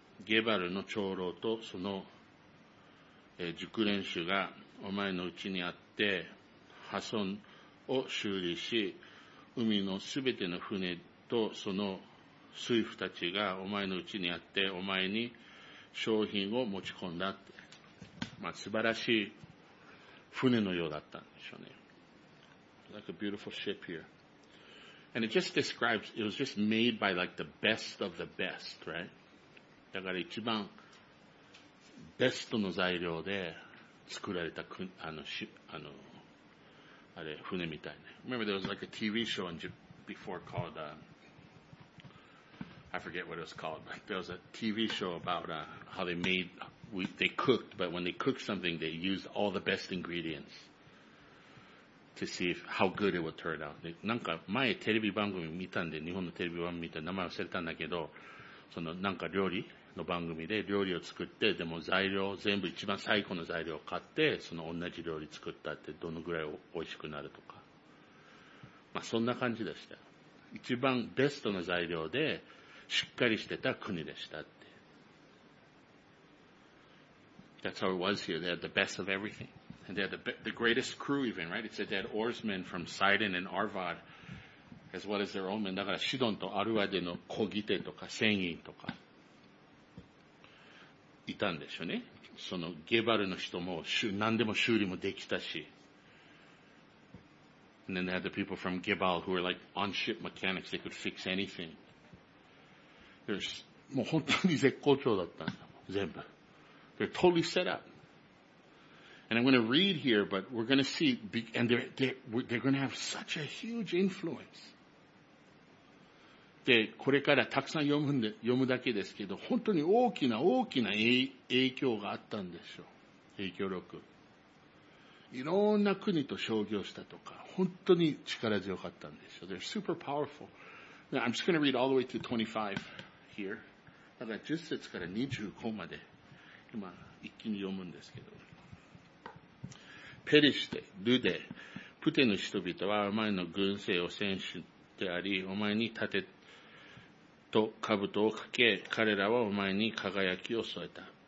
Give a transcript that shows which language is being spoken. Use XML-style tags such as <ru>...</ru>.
<ja>ゲバルの長老とその熟練手がお前のうちにあって、破損を修理し、海のすべての船とその水夫たちがお前のうちにあって、お前に商品を持ち込んだ。まあ、素晴らしい船のようだったんでしょうね。</ja> <en>Like a beautiful ship here. And it just describes, it was just made by like the best of the best, right?</en> <ja>だから一番ベストの材料で作られたあれ船みたいね。</ja> <en>Remember there was like a TV show before called, I forget what it was called, but there was a TV show about how they made, they cooked, but when they cooked something, they used all the best ingredients to see if, how good it would turn out.</en> <ja>なんか前テレビ番組見たんで、日本のテレビ番組見た名前忘れたんだけど、そのなんか料理の番組で料理を作って、でも材料全部一番最高の材料を買って、その同じ料理作ったってどのぐらい美味しくなるとか。まあそんな感じでした。一番ベストな材料で、しっかりしてた国でしたって。</ja> <en>That's how it was here. They had the best of everything. And they had the greatest crew even, right? It said they had oarsmen from Sidon and Arvad, as well as their own men.</en> <ja>だからシドンとアルワデの小ギテとか船員とか、いたんでしょうね。そのゲバルの人も何でも修理もできたし。</ja> <en>And then they had the people from Gebal who were like on-ship mechanics. They could fix anything.</en> <ja>もう本当に絶好調だったんだ。全部。</ja> <en>They're totally set up. And I'm going to read here, but we're going to see, and they're going to have such a huge influence.</en> <ja>で、これからたくさん読むだけですけど、本当に大きな大きな影響があったんでしょう。影響力。いろんな国と商業したとか、本当に力強かったんでしょう。</ja> <en>They're super powerful. Now, I'm just going to read all the way to 25.</en> <ja>だから10節から25まで今一気に読むんですけど、ペリシテ、ルデ、プテの人々はお前の軍勢を戦士であり、お前に盾と兜をかけ、彼らはお前に輝きを添えた。</ja>